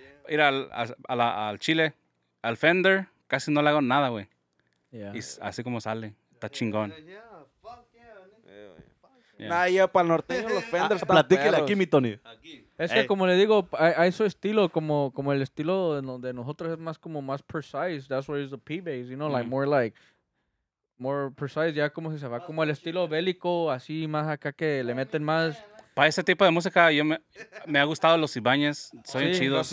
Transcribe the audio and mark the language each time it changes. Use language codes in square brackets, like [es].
[es] ir al Chile, al Fender, casi no le hago nada, güey. [en] Yeah. [es] Y así como sale, está chingón. [en] Yeah. [es] Nah, ya para el norteño los Fender están platíquele aquí, mi Tony. Es que como le digo, a su estilo, como el estilo de nosotros es más como más precise. [en] That's where is the P-bass, you know, more precise. [es] Ya como si se va como el estilo bélico, así más acá que le meten más. Para ese tipo de música, yo me ha gustado los Ibañez, son chidos.